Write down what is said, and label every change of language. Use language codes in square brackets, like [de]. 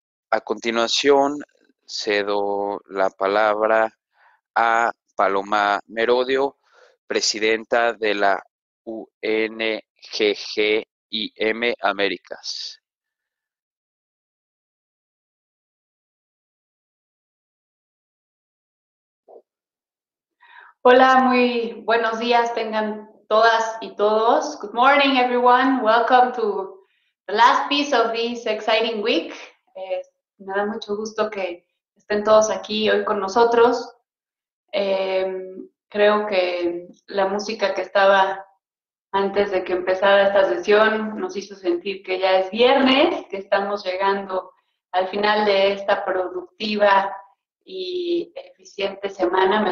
[es] A continuación, cedo la palabra a Paloma Merodio, presidenta de la UNGGIM Américas. Hola, muy buenos días, tengan todas y todos. [en] Good morning, everyone. Welcome to the last piece of this exciting week. [es] Me da mucho gusto que estén todos aquí hoy con nosotros. Creo que la música que estaba antes de que empezara esta sesión nos hizo sentir que ya es viernes, que estamos llegando al final de esta productiva y eficiente semana.